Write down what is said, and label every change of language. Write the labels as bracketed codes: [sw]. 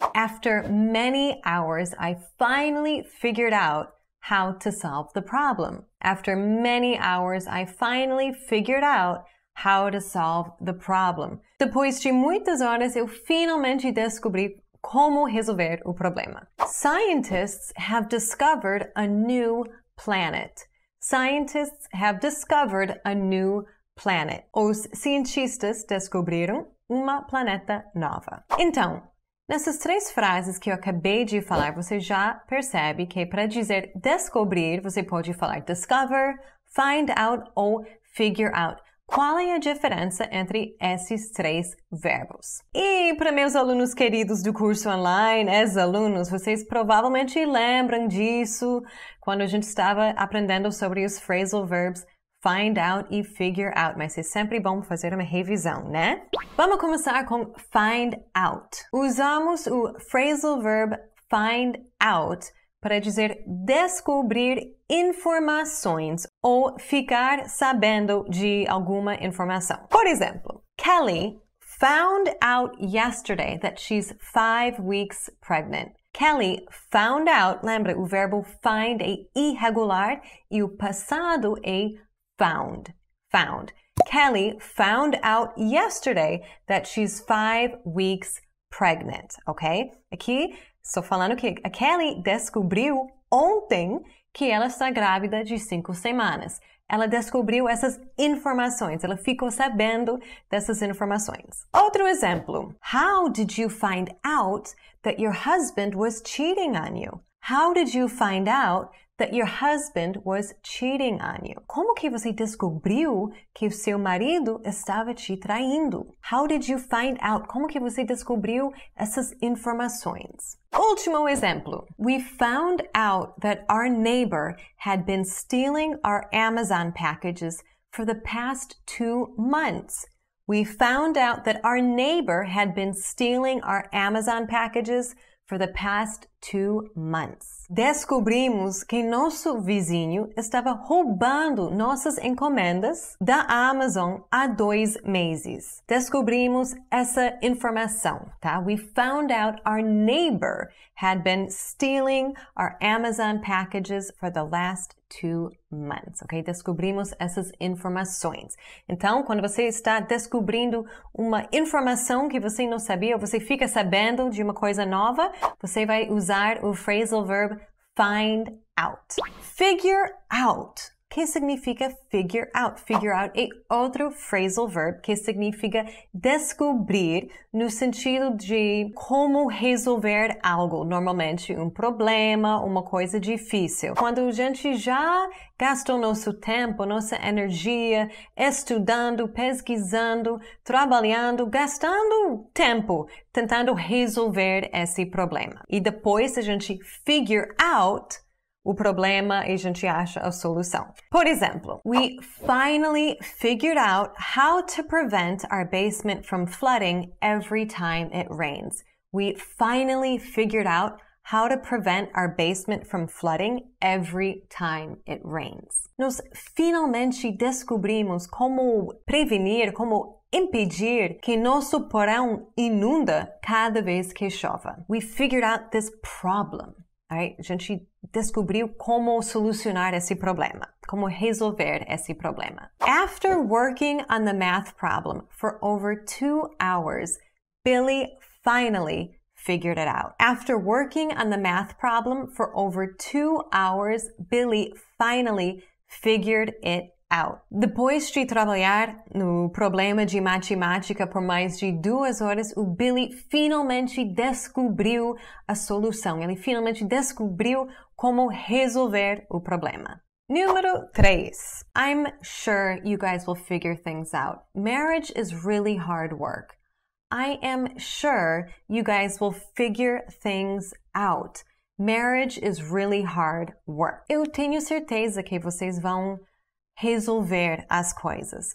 [en] After many hours, I finally figured out how to solve the problem. After many hours, I finally figured out how to solve the problem. [pt] Depois de muitas horas, eu finalmente descobri como resolver o problema. [en] Scientists have discovered a new planet. Scientists have discovered a new planet. [pt] Os cientistas descobriram uma planeta nova. Então, nessas três frases que eu acabei de falar, você já percebe que para dizer descobrir, você pode falar discover, find out ou figure out. Qual é a diferença entre esses três verbos? E para meus alunos queridos do curso online, ex-alunos, vocês provavelmente lembram disso quando a gente estava aprendendo sobre os phrasal verbs find out e figure out, mas é sempre bom fazer uma revisão, né? Vamos começar com find out. Usamos o phrasal verb find out para dizer descobrir informações ou ficar sabendo de alguma informação. Por exemplo, [en] Kelly found out yesterday that she's 5 weeks pregnant. [pt] Kelly found out, lembra, o verbo find é irregular e o passado é found. [en] Found. Kelly found out yesterday that she's 5 weeks pregnant. Okay? [pt] Aqui, estou falando que a Kelly descobriu ontem que ela está grávida de 5 semanas. Ela descobriu essas informações. Ela ficou sabendo dessas informações. Outro exemplo. [en] How did you find out that your husband was cheating on you? How did you find out that your husband was cheating on you? [pt] Como que você descobriu que o seu marido estava te traindo? [en] How did you find out? [pt] Como que você descobriu essas informações? Último exemplo. [en] We found out that our neighbor had been stealing our Amazon packages for the past 2 months. We found out that our neighbor had been stealing our Amazon packages for the past 2 months. [pt] Descobrimos que nosso vizinho estava roubando nossas encomendas da Amazon há 2 meses. Descobrimos essa informação, tá? [en] We found out our neighbor had been stealing our Amazon packages for the last 2 months, ok? [pt] Descobrimos essas informações. Então, quando você está descobrindo uma informação que você não sabia, ou você fica sabendo de uma coisa nova, você vai usar o phrasal verb find out. Figure out. O que significa figure out? Figure out é outro phrasal verb que significa descobrir no sentido de como resolver algo, normalmente um problema, uma coisa difícil. Quando a gente já gastou nosso tempo, nossa energia, estudando, pesquisando, trabalhando, gastando tempo, tentando resolver esse problema. E depois a gente figure out o problema e a gente acha a solução. Por exemplo, [en] we finally figured out how to prevent our basement from flooding every time it rains. We finally figured out how to prevent our basement from flooding every time it rains. [pt] Nós finalmente descobrimos como prevenir, como impedir que nosso porão inunda cada vez que chove. [en] We figured out this problem. Alright, [pt] a gente descobriu como solucionar esse problema, como resolver esse problema. [en] After working on the math problem for over 2 hours, Billy finally figured it out. After working on the math problem for over 2 hours, Billy finally figured it out. [pt] Depois de trabalhar no problema de matemática por mais de 2 horas, o Billy finalmente descobriu a solução. Ele finalmente descobriu como resolver o problema. Número 3. [en] I'm sure you guys will figure things out. Marriage is really hard work. I am sure you guys will figure things out. Marriage is really hard work. [pt] Eu tenho certeza que vocês vão resolver as coisas.